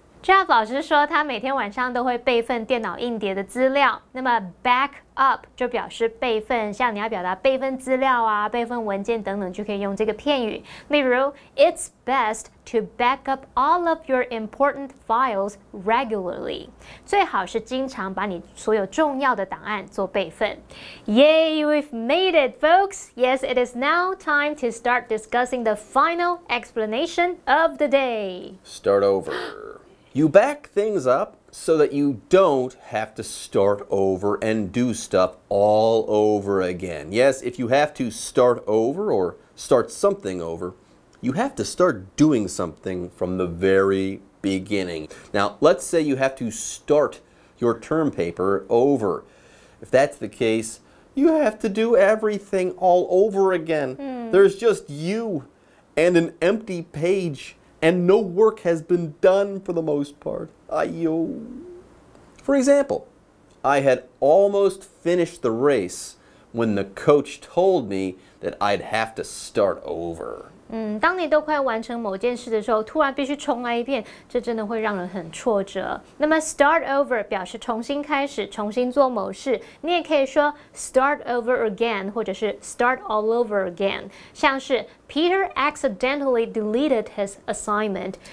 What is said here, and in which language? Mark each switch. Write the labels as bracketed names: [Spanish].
[Chinese] Jeff 老师说他每天晚上都会备份电脑硬碟的资料。那么 back up 就表示备份，像你要表达备份资料啊、备份文件等等，就可以用这个片语。例如 [English] ，It's best to back up all of your important files regularly. [Chinese] 最好是经常把你所有重要的档案做备份。 [English] Yay, we've made it, folks! Yes, it is now time to start discussing the final explanation of the day. Start over. You back things up so that you don't have to start over and do stuff all over again. Yes, if you have to start over or start something over, you have to start doing something from the very beginning. Now, let's say you have to start your term paper over. If that's the case, you have to do everything all over again. There's just you and an empty page. And no work has been done for the most part. Ayo. For example, I had almost finished the race when the coach told me that I'd have to start over. [Chinese] 当你都快完成某件事的时候，突然必须重来一遍，这真的会让人很挫折。那么 start over 表示重新开始，重新做某事。你也可以说 start over again， 或者是 start all over again。像是 [English] Peter accidentally deleted his assignment.